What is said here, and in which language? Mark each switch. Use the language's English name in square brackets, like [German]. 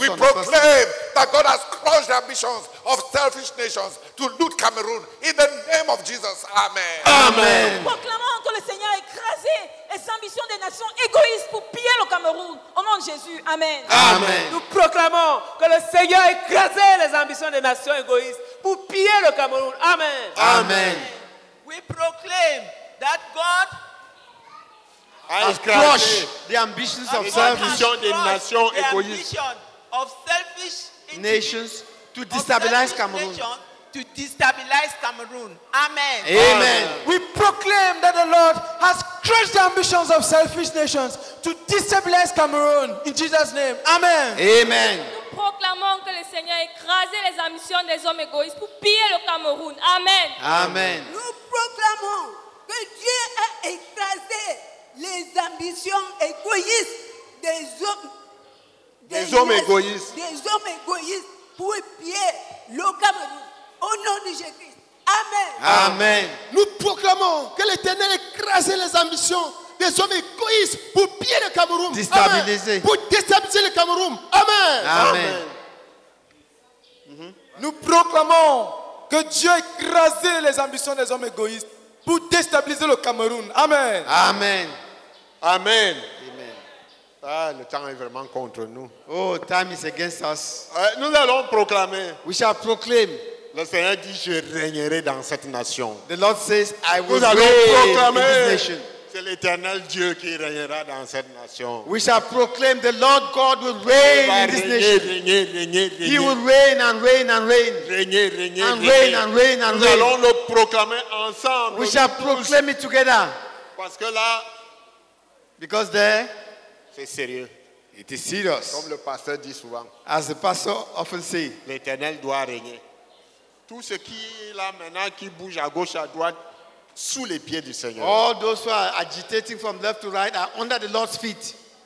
[English] we proclaim that God has crushed the ambitions of selfish nations to loot Cameroon in the name of Jesus. Amen. Amen. [French] Nous proclamons que le Seigneur a écrasé les ambitions des nations égoïstes pour piller le Cameroun. Au nom de Jésus. Amen. Amen. Nous proclamons que le Seigneur a écrasé les ambitions des nations égoïstes pour piller le Cameroun. Amen. Amen. [English] We proclaim that God has crushed the ambitions of selfish nations egoists. Of selfish nations to destabilize Cameroon. To destabilize Cameroon. Amen. Amen. Amen. We proclaim that the Lord has crushed the ambitions of selfish nations to destabilize Cameroon. In Jesus' name. Amen. Amen. [French] Nous proclamons que le Seigneur écrase les ambitions des hommes égoïstes pour piller le Cameroun. Amen. Amen. Nous proclamons que Dieu a écrasé les ambitions égoïstes des hommes égoïstes pour piller le Cameroun. Au nom de Jésus. Amen. Amen. Nous proclamons que l'Éternel écrase les ambitions des hommes égoïstes pour piller le Cameroun. Déstabiliser. Pour déstabiliser le Cameroun. Amen. Amen. Amen. Mm-hmm. Nous proclamons que Dieu écrase les ambitions des hommes égoïstes pour déstabiliser le Cameroun. Amen. Amen. Amen. Ah, le temps est vraiment contre nous. [English] Oh, time is against us. [French] Nous allons proclamer. [English] We shall proclaim. [French] Le Seigneur dit, je régnerai dans cette nation. [English] The Lord says, I will reign in this nation. [French] C'est l'éternel Dieu qui régnera dans cette nation. [English] We shall proclaim the Lord God will reign in this nation. [French] Régner. [English] He will reign and reign and reign. [French] Régner. [English] And reign and reign and [French] Nous allons le proclamer ensemble. [English] We shall proclaim it together. [French] Parce que là, [English] because there, [French] c'est sérieux. [English] It is serious. [French] Comme le pasteur dit souvent. [English] As the pastor often say, [French] l'éternel doit régner. Tout ce qui est là maintenant, qui bouge à gauche, à droite, sous les pieds du Seigneur. [English] All those who are agitating from left to right are under the Lord's feet.